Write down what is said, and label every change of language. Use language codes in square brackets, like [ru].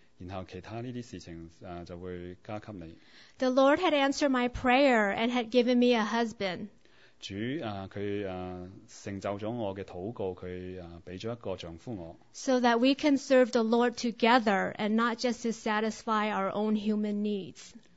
[yue] 然后其他呢啲事情就会加给你。 [en] The Lord had answered my prayer and had given me a husband. [yue] 主成就咗我嘅祷告，佢俾咗一个丈夫我。 [en] So that we can serve the Lord together and not just to satisfy our own human needs.